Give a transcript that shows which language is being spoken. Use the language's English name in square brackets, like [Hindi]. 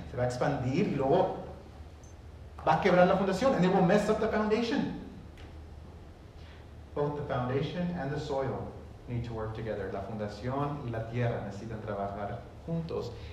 [Spanish] Se va a expandir y luego va a quebrar la fundación. [English] And it will mess up the foundation. Both the foundation and the soil need to work together. [Spanish] La fundación y la tierra necesitan trabajar juntos.